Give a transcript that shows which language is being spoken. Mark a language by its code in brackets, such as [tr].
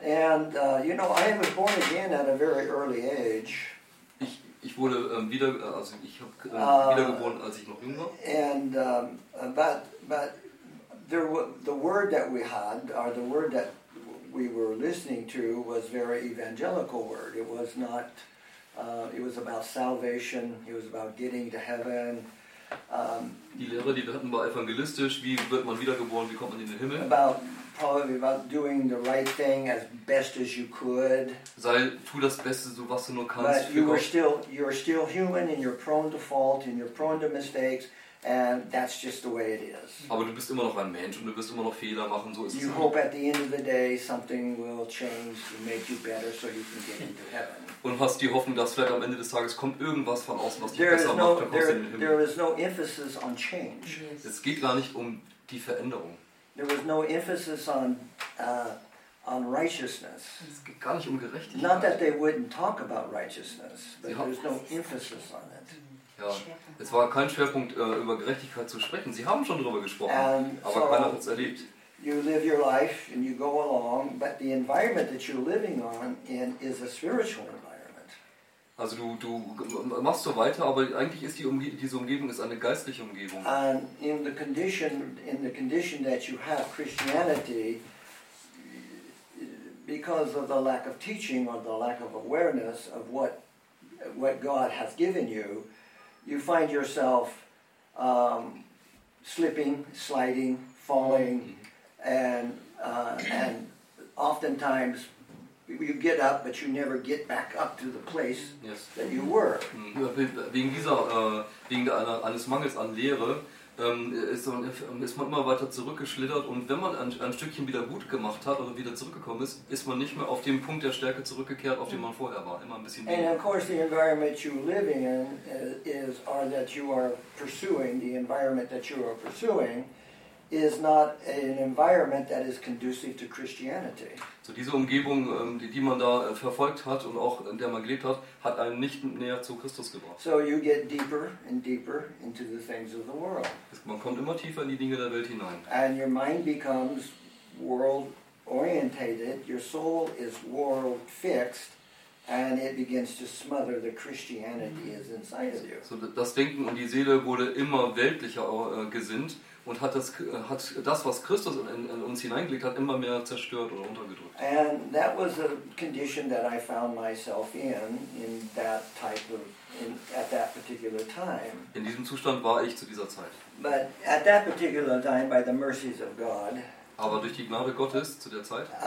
[en] And you know, I was born again at a very early age. [de] Ich wurde wiedergeboren, als ich noch jung war. [en] And but there the word that we had, or the word that we were listening to, was very evangelical word. It was not. It was about salvation. It was about getting to heaven. [de] Die Lehre, die wir hatten, war evangelistisch. Wie wird man wiedergeboren? Wie kommt man in den Himmel? [en] Probably about doing the right thing as best as you could. [de] Sei, tu das Beste, so was du nur kannst. [en] But you are still human, and you're prone to fault, and you're prone to mistakes, and that's just the way it is. [de] Aber du bist immer noch ein Mensch, und du wirst immer noch Fehler machen. So ist es. [en] You hope at the end of the day something will change to make you better, so you can get into heaven. [de] Und hast die Hoffnung, dass vielleicht am Ende des Tages kommt irgendwas von außen, was dich besser macht, dann kommst du in den Himmel. [en] There is no emphasis on change. [de] Yes. Es geht gar nicht um die Veränderung. [en] There was no emphasis on righteousness. [de] Es geht gar nicht um Gerechtigkeit. [en] Not that they wouldn't talk about righteousness, but there was no emphasis on it. [de] Ja, es war kein Schwerpunkt, über Gerechtigkeit zu sprechen. Sie haben schon darüber gesprochen, aber keiner hat es erlebt. [en] You live your life and you go along, but the environment that you're living on in is a spiritual environment. [de] Also du machst so weiter, aber eigentlich ist diese Umgebung ist eine geistliche Umgebung. [en] And in the condition that you have Christianity, because of the lack of teaching or the lack of awareness of what God has given you, you find yourself slipping, sliding, falling. Mm-hmm. And oftentimes you get up, but you never get back up to the place yes. that you were. [de] Wegen dieser, wegen eines Mangels an Lehre, ist man immer weiter zurückgeschlittert. Und wenn man ein Stückchen wieder gut gemacht hat oder wieder zurückgekommen ist, ist man nicht mehr auf dem Punkt der Stärke zurückgekehrt, auf dem man vorher war. Immer ein bisschen. [en] And of course, the environment you live in is, or that you are pursuing, the environment that you are pursuing. Is not an environment that is conducive to Christianity. [de] So diese Umgebung, die man da verfolgt hat und auch in der man gelebt hat, hat einen nicht näher zu Christus gebracht. [en] So you get deeper and deeper into the things of the world. [de] Man kommt immer tiefer in die Dinge der Welt hinein. [en] And your mind becomes world orientated, your soul is world fixed. And it begins to smother the Christianity is inside of you. [de] So das Denken und die Seele wurde immer weltlicher gesinnt und hat das, was Christus in uns hineingelegt hat, immer mehr zerstört oder untergedrückt. [en] And that was a condition that I found myself in that type of at that particular time. [de] In diesem Zustand war ich zu dieser Zeit. [en] But at that particular time, by the mercies of God. [de] Aber durch die Gnade Gottes zu der Zeit.